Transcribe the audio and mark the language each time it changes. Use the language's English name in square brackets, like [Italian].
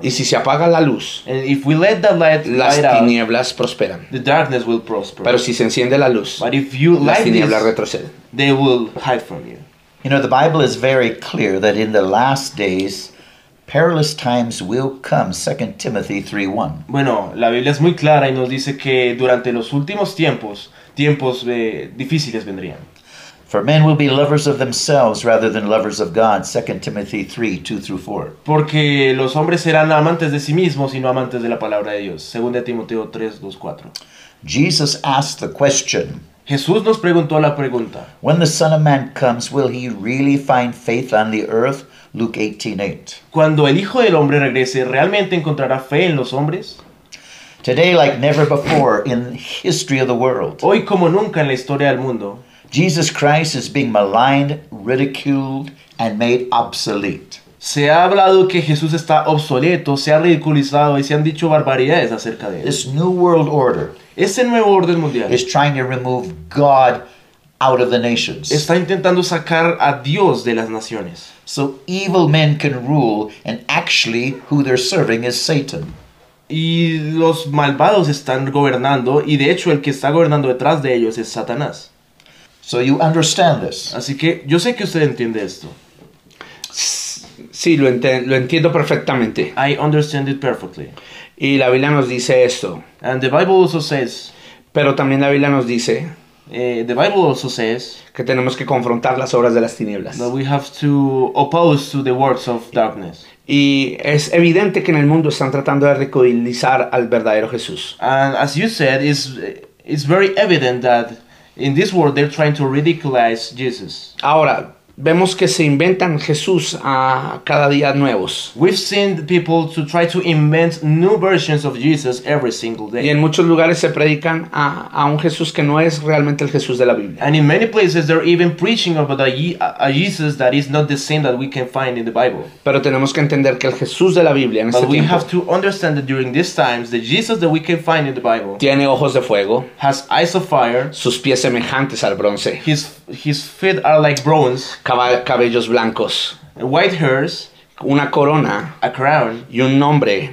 [Spanish] Y si se apaga la luz, [English] and if we let the light [Spanish] las [English] light [Spanish] tinieblas [English] out, [Spanish] prosperan. [English] The darkness will prosper. [Spanish] Pero si se enciende la luz, [English] but if you [Spanish] las [English] light [Spanish] tinieblas [English] this, [Spanish] retroceden. [English] They will hide from you. You know, the Bible is very clear that in the last days, perilous times will come. 2 Timothy 3:1. [Spanish] Bueno, la Biblia es muy clara y nos dice que durante los últimos tiempos, tiempos difíciles vendrían. [English] For men will be lovers of themselves rather than lovers of God, 2 Timothy 3, 2-4. [Spanish] Porque los hombres serán amantes de sí mismos y no amantes de la palabra de Dios, 2 Timoteo 3, 2-4. [English] Jesus asked the question. [Spanish] Jesús nos preguntó la pregunta. [English] When the Son of Man comes, will he really find faith on the earth? Luke 18:8. [Spanish] Cuando el Hijo del Hombre regrese, ¿realmente encontrará fe en los hombres? [English] Today, like never before in history of the world. [Spanish] Hoy como nunca en la historia del mundo. [English] Jesus Christ is being maligned, ridiculed, and made obsolete. [Spanish] Se ha hablado que Jesús está obsoleto, se ha ridiculizado y se han dicho barbaridades acerca de él. [English] This new world order. [Spanish] Este nuevo orden mundial. [English] Is trying to remove God out of the nations. [Spanish] Está intentando sacar a Dios de las naciones. [English] So evil men can rule, and actually, who they're serving is Satan. [Spanish] Y los malvados están gobernando, y de hecho, el que está gobernando detrás de ellos es Satanás. [English] So you understand this. [Spanish] Así que yo sé que usted entiende esto. Sí, lo entiendo perfectamente. [English] I understand it perfectly. [Spanish] Y la Biblia nos dice esto. [English] And the Bible also says. [Spanish] Pero también la Biblia nos dice. [English] The Bible also says. [Spanish] Que tenemos que confrontar las obras de las tinieblas. [English] That we have to oppose to the works of darkness. [Spanish] Y es evidente que en el mundo están tratando de ridiculizar al verdadero Jesús. [English] And as you said, it's very evident that in this world, they're trying to ridiculize Jesus. [Spanish] Ahora, vemos que se inventan Jesús cada día nuevos. [English] We've seen people to try to invent new versions of Jesus every single day. [Spanish] Y en muchos lugares se predican a un Jesús que no es realmente el Jesús de la Biblia. [English] And in many places, they're even preaching about a Jesus that is not the same that we can find in the Bible. [Spanish] Pero tenemos que entender que el Jesús de la Biblia en [English] but [Spanish] este tiempo. [English] But we have to understand that during these times, the Jesus that we can find in the Bible. [Spanish] Tiene ojos de fuego. [English] Has eyes of fire. [Spanish] Sus pies semejantes al bronce. [English] His feet are like bronze. [Spanish] Cabellos blancos, [English] white hairs, [Spanish] una corona, [English] a crown, [Spanish] y un nombre,